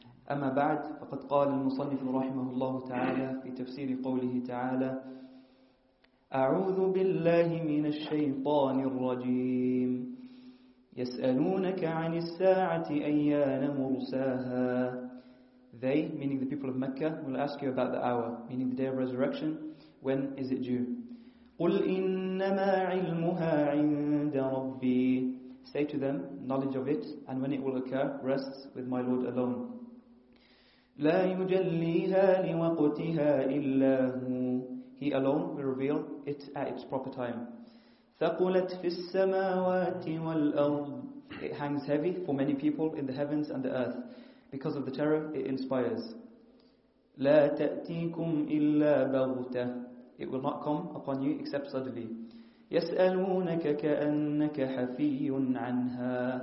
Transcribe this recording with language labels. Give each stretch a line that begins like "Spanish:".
Arabic: أما بعد فقد قال المصنف رحمه الله تعالى في تفسير قوله تعالى أعوذ بالله من الشيطان الرجيم يسألونك عن الساعة أيان مرساها.
English: They, meaning the people of Mecca, will ask you about the hour, meaning the day of resurrection, when is it due.
Arabic: قل إنما علمها عند ربي.
English: Say to them, knowledge of it and when it will occur rests with my Lord alone.
Arabic: لا يجليها لوقتها إلا هو.
English: He alone will reveal it at its proper time.
Arabic: ثقلت في السماوات والأرض.
English: It hangs heavy for many people in the heavens and the earth. Because of the terror it inspires.
Arabic: لا تأتيكم إلا بغتة.
English: It will not come upon you except suddenly.
Arabic: يسألونك كأنك حفي عنها.